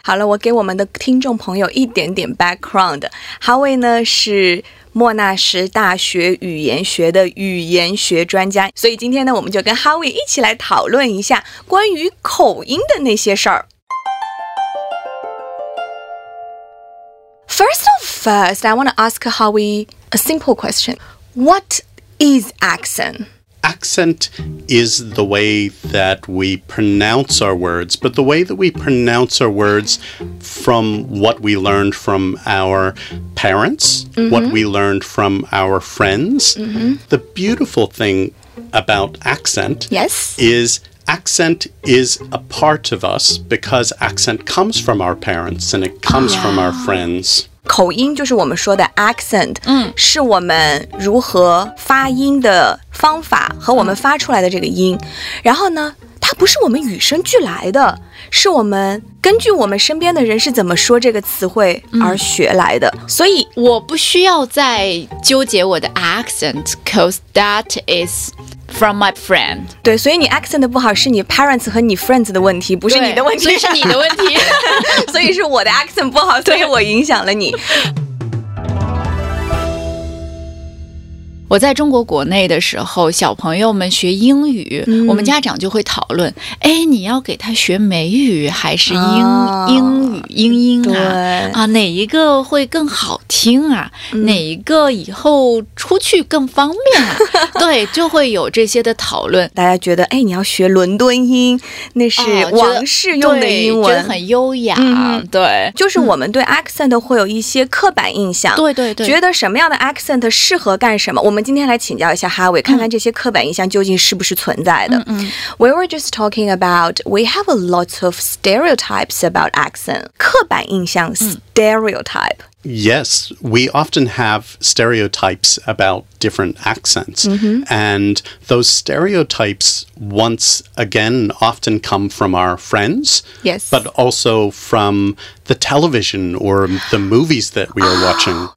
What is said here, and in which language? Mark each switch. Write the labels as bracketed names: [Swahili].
[Chinese] 好了，我给我们的听众朋友一点点 background. Howie 呢是莫纳什大学语言学的语言学专家，所以今天呢，我们就跟 Howie 一起来讨论一下关于口音的那些事儿。 [English] First of first, I want to ask Howie a simple question. What is accent? Accent is the way that we pronounce our words, but the way that we pronounce our words from what we learned from our parents, mm-hmm. what we learned from our friends. Mm-hmm. The beautiful thing about accent, yes, is accent is a part of us because accent comes from our parents and it comes from our friends. [Chinese] 口音就是我们说的 accent、嗯、是我们如何发音的方法和我们发出来的这个音、嗯、然后呢它不是我们与生俱来的是我们根据我们身边的人是怎么说这个词汇而学来的、嗯、所以我不需要再纠结我的 [English] accent because that is from my friend [Chinese] 对所以你 accent 不好是你 parents 和你 friends 的问题不是你的问题所以是你的问题所以是我的 accent 不好所以我影响了你我在中国国内的时候小朋友们学英语、嗯、我们家长就会讨论哎，你要给他学美语还是 英语啊哪一个会更好听啊、嗯、哪一个以后出去更方便啊对就会有这些的讨论大家觉得哎，你要学伦敦音那是王室用的英文、啊、觉得很优雅、嗯、对就是我们对 accent 会有一些刻板印象、嗯、对对对觉得什么样的 accent 适合干什么我们今天来请教一下哈维看看这些刻板印象究竟是不是存在的。嗯嗯 [English] we were just talking about, we have a lot of stereotypes about accent. [Chinese] 刻板印象、嗯、stereotype. [English] Yes, we often have stereotypes about different accents.、 Mm-hmm. And those stereotypes, once again, often come from our friends. Yes. But also from the television or the movies that we are watching.